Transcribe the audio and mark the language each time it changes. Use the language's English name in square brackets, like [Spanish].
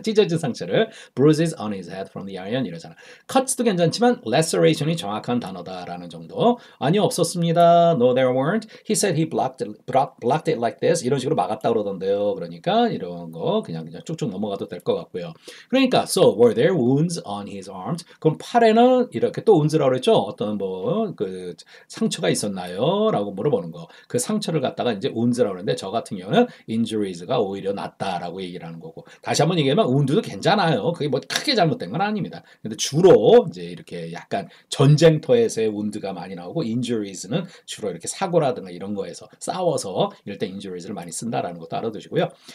[Korean] 찢어진 상처를 [English] bruises on his head from the iron [Korean] 이러잖아. cuts도 괜찮지만 laceration이 정확한 단어다라는 정도. 아니요 없었습니다. [English] No, there weren't. He said he blocked it like this. [Korean] 이런 식으로 막았다 그러던데요. 그러니까 이런 거 그냥 쭉쭉 넘어가도 될것 같고요. 그러니까 [English] so were there wounds on his arms? [Korean] 그럼 팔에는 이렇게 또 wounds라고 그랬죠? 어떤 뭐그 상처가 있었나요?라고 물어보는 거. 그 상처를 갖다가 이제 wounds라고 그러는데 저 같은 경우는 injuries가 오히려 낫다라고 얘기를 하는 거고. 다시 한번 얘기하면 wound도 괜찮아요. 그게 뭐 크게 잘못된 건 아닙니다. 근데 주로 이제 이렇게 약간 전쟁터에서의 wound가 많이 나오고 injuries는 주로 이렇게 사고라든가 이런 거에서 싸워서 이럴 때 injuries를 많이 쓴다라는 것도 알아두시고요.